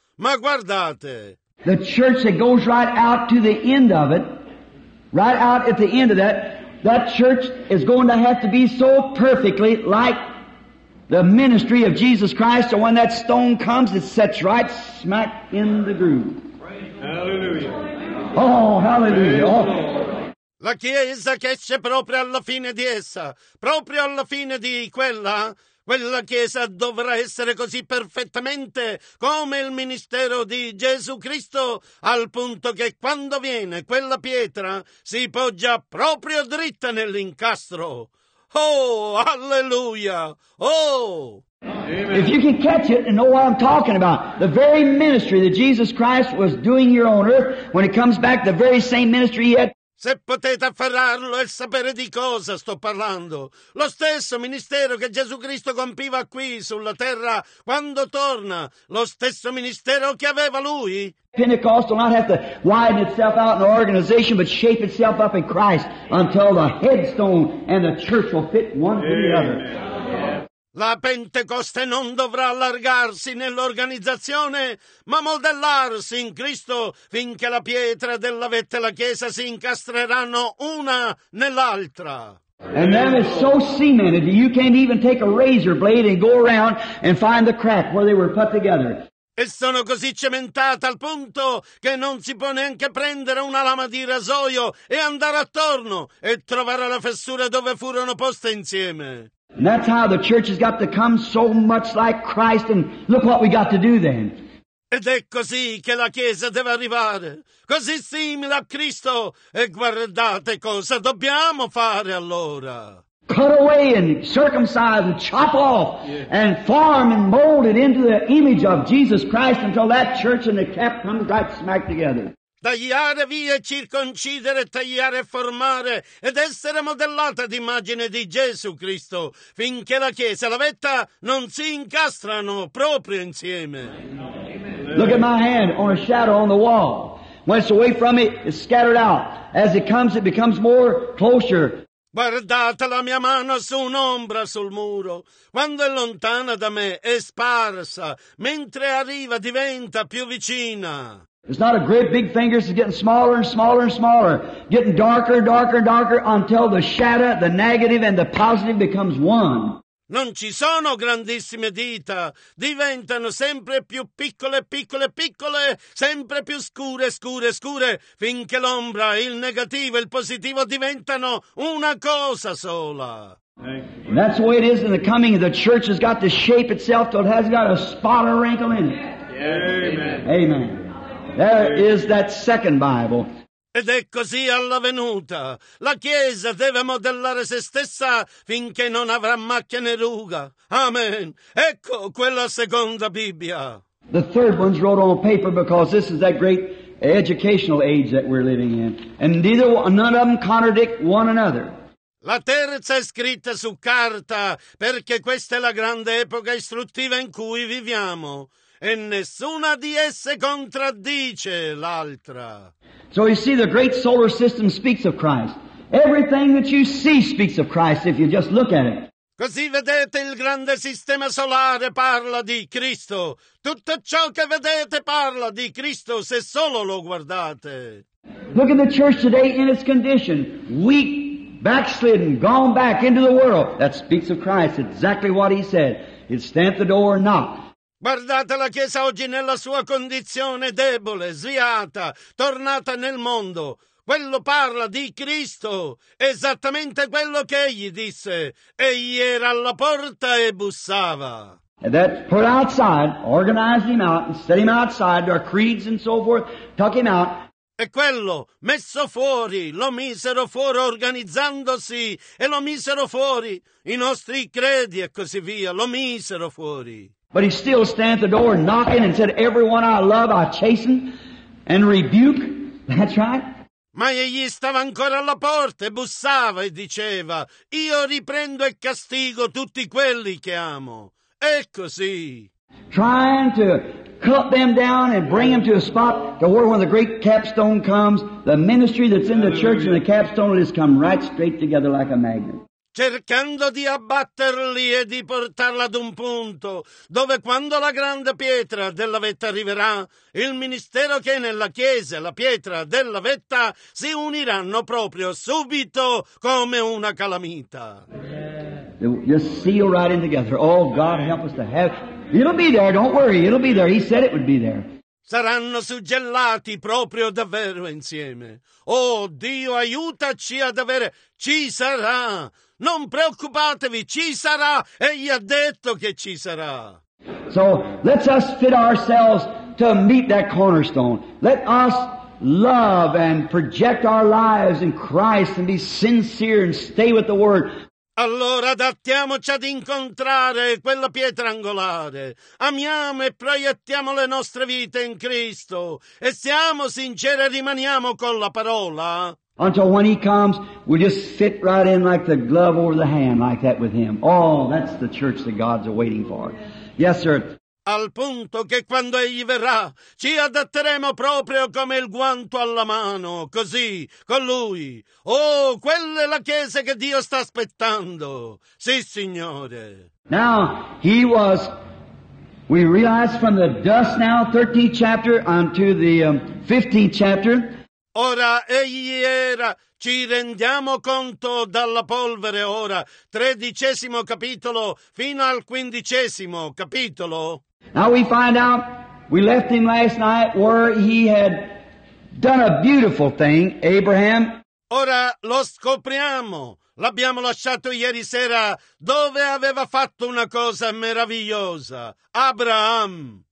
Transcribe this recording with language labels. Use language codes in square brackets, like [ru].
[it] Ma guardate. [en] The church that goes right out to the end of it, right out at the end of that, that church is going to have to be so perfectly like the ministry of Jesus Christ, so when that stone comes, it sets right smack in the groove. Hallelujah. Oh, hallelujah. Oh. [it] La Chiesa che esce proprio alla fine di essa, proprio alla fine di quella, quella Chiesa dovrà essere così perfettamente come il ministero di Gesù Cristo, al punto che quando viene quella pietra si poggia proprio dritta nell'incastro. Oh, alleluia. Oh. Amen. [en] If you can catch it and know what I'm talking about, the very ministry that Jesus Christ was doing here on earth, when he comes back, the very same ministry he had. [it] Se potete afferrarlo e sapere di cosa sto parlando, lo stesso ministero che Gesù Cristo compiva qui sulla terra quando torna, lo stesso ministero che aveva lui. [en] Pentecost will not have to widen itself out in an organization, but shape itself up in Christ until the headstone and the church will fit one to the other. [it] La Pentecoste non dovrà allargarsi nell'organizzazione, ma modellarsi in Cristo finché la pietra della vetta e la Chiesa si incastreranno una nell'altra. [en] And that is so cemented that you can't even take a razor blade and go around and find the crack where they were put together. [it] E sono così cementate al punto che non si può neanche prendere una lama di rasoio e andare attorno e trovare la fessura dove furono poste insieme. [en] And that's how the church has got to come so much like Christ, and look what we got to do then. [it] Ed è così che la Chiesa deve arrivare, così simile a Cristo, e guardate cosa dobbiamo fare allora. [en] Cut away and circumcise and chop off and form and mold it into the image of Jesus Christ until that church and the cap come right smack together. [it] Tagliare via, circoncidere, tagliare e formare ed essere modellata d'immagine di Gesù Cristo finché la Chiesa e la vetta non si incastrano proprio insieme. [en] Look at my hand on a shadow on the wall. When it's away from it, it's scattered out. As it becomes more closer. [it] Guardate la mia mano su un'ombra sul muro. Quando è lontana da me, è sparsa. Mentre arriva, diventa più vicina. [en] It's not a great big finger, it's getting smaller and smaller and smaller, getting darker and darker and darker until the shadow, the negative and the positive becomes one. [it] Non ci sono grandissime dita, diventano sempre più piccole, piccole, piccole, sempre più scure, scure, scure, finché l'ombra, il negativo e il positivo diventano una cosa sola. [en] And that's the way it is in the coming. The church has got to shape itself till it has got a spot or wrinkle in it. Yeah, amen. Amen. There is that second Bible. [it] Ed è così all'avvenuta. La Chiesa deve modellare se stessa finché non avrà macchia né ruga. Amen. Ecco quella seconda Bibbia. [en] The third one's wrote on paper because this is that great educational age that we're living in. And neither one, none of them contradict one another. [it] La terza è scritta su carta perché questa è la grande epoca istruttiva in cui viviamo. E nessuna di esse contraddice l'altra. [en] So you see, the great solar system speaks of Christ. Everything that you see speaks of Christ if you just look at it. [it] Così vedete, il grande sistema solare parla di Cristo. Tutto ciò che vedete parla di Cristo se solo lo guardate. [en] Look at the church today in its condition. Weak, backslidden, gone back into the world. That speaks of Christ, exactly what he said. He'd stand at the door and knock. [it] Guardate la Chiesa oggi nella sua condizione debole, sviata, tornata nel mondo. Quello parla di Cristo, esattamente quello che egli disse. Egli era alla porta e bussava. [en] And that put outside, organized him out, and set him outside, our creeds and so forth, tuck him out. [it] E quello, messo fuori, lo misero fuori organizzandosi, e lo misero fuori i nostri credi e così via, lo misero fuori. [en] But he still stand at the door knocking and said, everyone I love I chasten and rebuke. That's right. [it] Ma egli stava ancora alla porta e bussava e diceva, io riprendo e castigo tutti quelli che amo. E così. [en] Trying to cut them down and bring them to a spot to where when the great capstone comes, the ministry that's in the church and the capstone will just come right straight together like a magnet. [it] Cercando di abbatterli e di portarla ad un punto dove quando la grande pietra della vetta arriverà, il ministero che è nella chiesa e la pietra della vetta si uniranno proprio subito come una calamita. [en] Just seal right in together. Oh, God, help us to have... It'll be there, don't worry, it'll be there. He said it would be there. [it] Saranno suggellati proprio davvero insieme. Oh, Dio, aiutaci ad avere... Ci sarà... Non preoccupatevi, ci sarà, egli ha detto che ci sarà. [en] So let us fit ourselves to meet that cornerstone. Let us love and project our lives in Christ and be sincere and stay with the Word. [it] Allora adattiamoci ad incontrare quella pietra angolare. Amiamo e proiettiamo le nostre vite in Cristo. E siamo sinceri e rimaniamo con la parola. [en] Until when he comes, we just fit right in like the glove over the hand, like that with him. Oh, that's the church that God's waiting for. Yes, sir. [it] Al punto che quando egli verrà, ci adatteremo proprio come il guanto alla mano, così, con lui. Oh, quella è la chiesa che Dio sta aspettando. Sì, Signore. [en] Now, he was, we realize from the dust now, 13th chapter, unto the 15th chapter, [it] ora egli era, ci rendiamo conto dalla polvere ora, 13° capitolo fino al 15° capitolo. [en] Now we find out, we left him last night where he had done a beautiful thing, Abraham. [it] Ora lo scopriamo, l'abbiamo lasciato ieri sera dove aveva fatto una cosa meravigliosa, Abraham.